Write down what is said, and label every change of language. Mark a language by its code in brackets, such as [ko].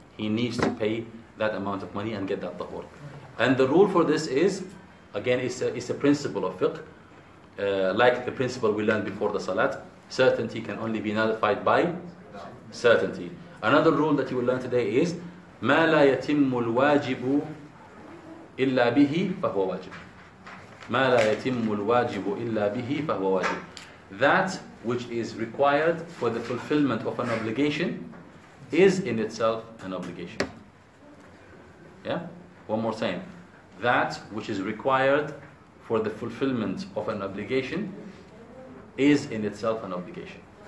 [en] He needs to pay that amount of money and get that tahur. And the rule for this is, again, it's a principle of fiqh, like the principle we learned before the salat, certainty can only be nullified by certainty. Another rule that you will learn today is, [ar] ما لا يتم الواجب إلا به فهو واجب. ما لا يتم الواجب إلا به فهو واجب. [en] That which is required for the fulfillment of an obligation is in itself an obligation. Yeah? One more time. That which is required for the fulfillment of an obligation is in itself an obligation.